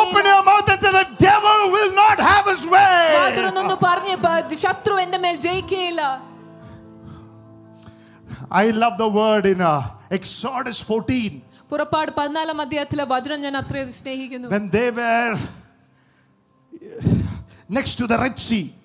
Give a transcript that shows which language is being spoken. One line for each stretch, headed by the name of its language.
English: Open your mouth and say, the devil will not have his way.
Malayalam: വാ തുറന്ന് പറഞ്ഞു ശത്രു എന്റെ മേൽ ജയിക്കില്ല.
English: I love the word in Exodus 14.
Malayalam: പുറപ്പാട് 14-ാം അധ്യായത്തിലെ വചനം ഞാൻ അത്രയധികം സ്നേഹിക്കുന്നു.
English: When they were next to the Red Sea.